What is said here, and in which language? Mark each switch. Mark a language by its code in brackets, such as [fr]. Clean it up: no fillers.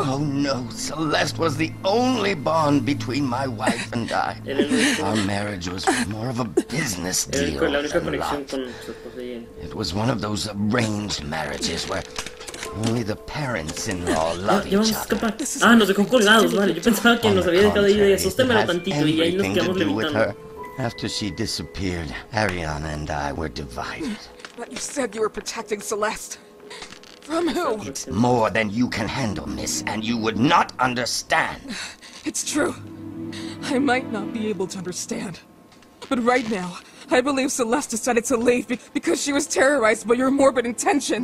[en] Oh no, Celeste was the only bond between my wife and I. Our marriage was more of a business deal than love. It was one of those arranged marriages where only the parents-in-law love each other. [es] Ah, nos dejó colgados, vale. Yo pensaba que nos había dejado ahí de sosténmelo tantito y ahí nos quedamos levitando. [en] After she disappeared, Ariana and I were divided. But you said you were protecting Celeste. From who? It's more than you can handle, miss, and you would not understand. It's true. I might not be able to understand. But right now, I believe Celeste decided to leave because she was terrorized by your morbid intentions.